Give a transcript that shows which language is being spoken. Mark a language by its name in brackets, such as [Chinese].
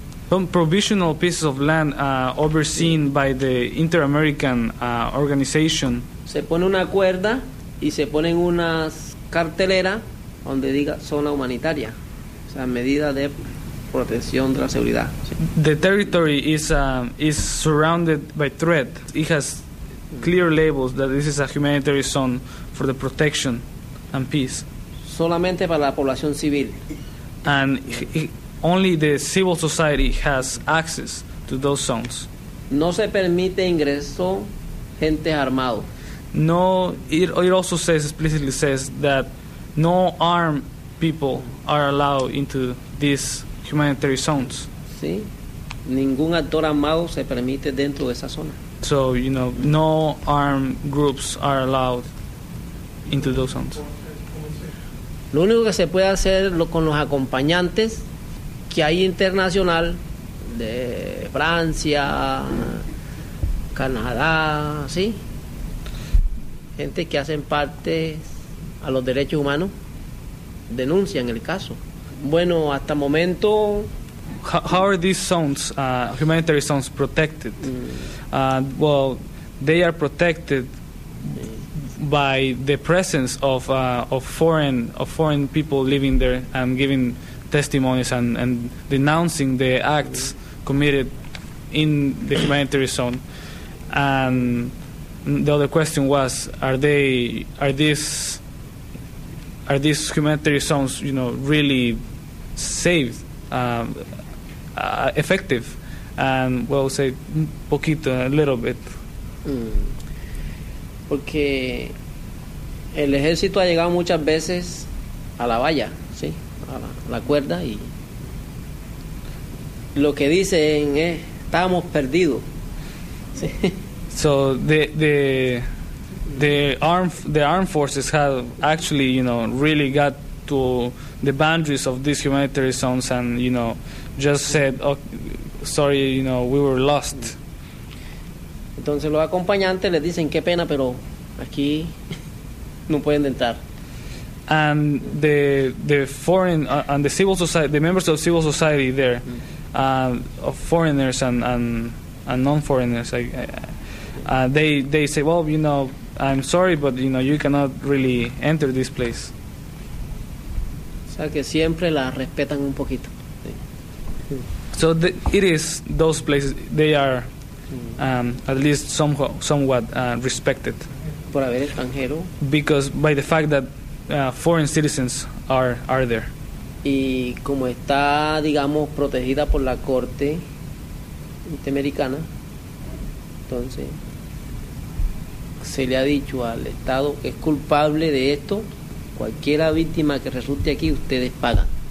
[English] Some provisional pieces of land overseen by the Inter-American organization. [Spanish] Se pone una cuerda y se ponen unas carteleras donde diga zona humanitaria, o sea, medida de protección de la seguridad. [English] The territory is surrounded by threat. It has clear labels that this is a humanitarian zone for the protection and peace. [Spanish] Solamente para la población civil. [English] And only the civil society has access to those zones. [Spanish] No se permite ingreso gente armado. [English] No, it also says, explicitly says, that no armed people are allowed into these humanitarian zones. [Spanish] Sí. Ningún actor armado se permite dentro de esa zona. [English] So, you know, no armed groups are allowed into those zones. [Spanish] Lo único que se puede hacer con los acompañantes que hay internacional de Francia, Canadá, sí, gente que hacen parte a los derechos humanos, denuncian el caso. Bueno, hasta momento. [English] How are these zones, humanitarian zones, protected? Well, they are protected by the presence of foreign people living there and giving testimonies and denouncing the acts committed in the humanitarian zone. And the other question was, are these humanitarian zones, you know, really safe, effective? And well, say poquito, a little bit. [Spanish] Porque el ejército ha llegado muchas veces a la valla, sí, a la cuerda, y lo que dicen es estábamos perdidos. Sí. [English] So the armed forces have actually, you know, really got to the boundaries of these humanitarian zones and, you know, just said, oh, sorry, you know, we were lost. [Spanish] Entonces los acompañantes les dicen qué pena, pero aquí no pueden entrar. [English] And the civil society, the members of civil society there, of foreigners and non-foreigners, they say, well, you know, I'm sorry, but you know, you cannot really enter this place. [Spanish] O sea, que siempre la respetan un poquito. [English] So it is those places, they are at least somewhat respected. [Spanish] Por haber extranjero. [English] Because by the fact that foreign citizens are there. [Spanish] Y como está, digamos, protegida por la Corte Interamericana, entonces se le ha dicho al Estado que es culpable de esto, cualquiera víctima que resulte aquí, ustedes pagan.